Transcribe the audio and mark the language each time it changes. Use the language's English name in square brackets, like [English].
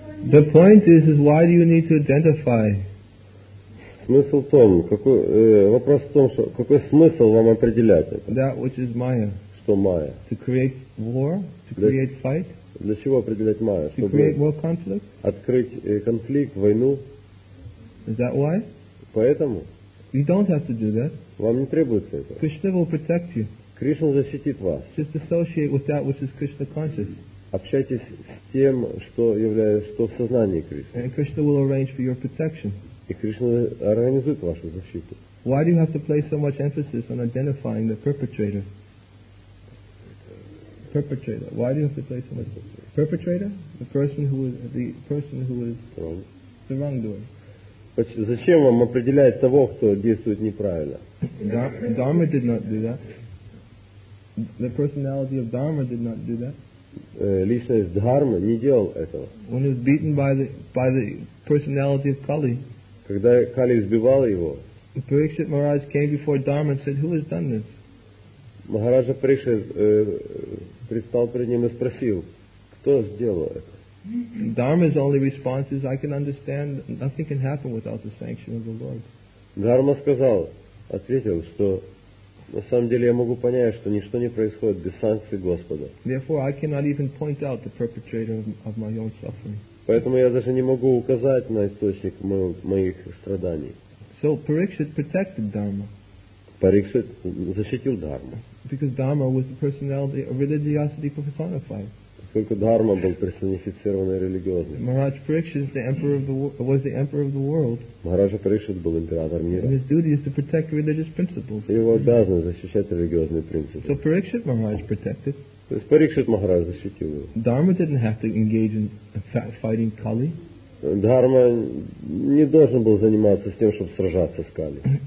[English] The point is why do you need to identify? [Russian] Смысл в том, какой, вопрос в том, что, какой смысл вам определять это? [English] That which is Maya. [Russian] Что Maya? [English] To create war? To [Russian] для, [English] create fight? [Russian] Для чего определять Maya? [English] To [Russian] чтобы [English] create war conflict? [Russian] Открыть конфликт, войну. [English] Is that why? [Russian] Поэтому? [English] You don't have to do that. [Russian] Вам не требуется это. [English] Krishna will protect you. [Russian] Кришна защитит вас. [English] Just associate with that which is Krishna conscious. [Russian] Общайтесь с тем, что является, что в сознании Кришны. [English] And Krishna will arrange for your protection. [Russian] И Кришна организует вашу защиту. [English] Why do you have to place so much emphasis on identifying the perpetrator? Perpetrator. Why do you have to place so much emphasis? Perpetrator? The person who is wrong. The wrongdoer. [Russian] Зачем вам определять того, кто действует неправильно? [English] Dharma did not do that. The personality of Dharma did not do that. [Russian] Личность Дхармы не делал этого. [English] When he was beaten by the personality of Kali. [Russian] Когда Кали избивал его. [English] Parikshit Maharaj came before Dharma and said, "Who has done this?" [Russian] Махараджа Парикшит предстал перед ним и спросил, кто сделал это. [English] Dharma's only response is, "I can understand. Nothing can happen without the sanction of the Lord." [Russian] Дхарма сказал, ответил, что на самом деле я могу понять, что ничто не происходит без санкции Господа. [English] Therefore, I cannot even point out the perpetrator of my own suffering. [Russian] Поэтому я даже не могу указать на источник моих страданий. [English] So Parikshit protected Dharma. [Russian] Парикшит защитил Дхарму. [English] Because Dharma was the personality of religiosity personified. [Russian] Поскольку Дхарма был персонифицированной религиозной. [English] Maharaj Parikshit was the emperor of the world. [Russian] Maharaj Parikshit был император мира. [English] And his duty is to protect religious principles. [Russian] И его обязанность защищать религиозные принципы. [English] So Parikshit Maharaj protected. [Russian] То есть Парикшит Махарадж защитил его. [English] Dharma didn't have to engage in fighting Kali. [Russian] Дхарма не должен был заниматься с тем, чтобы сражаться с Кали.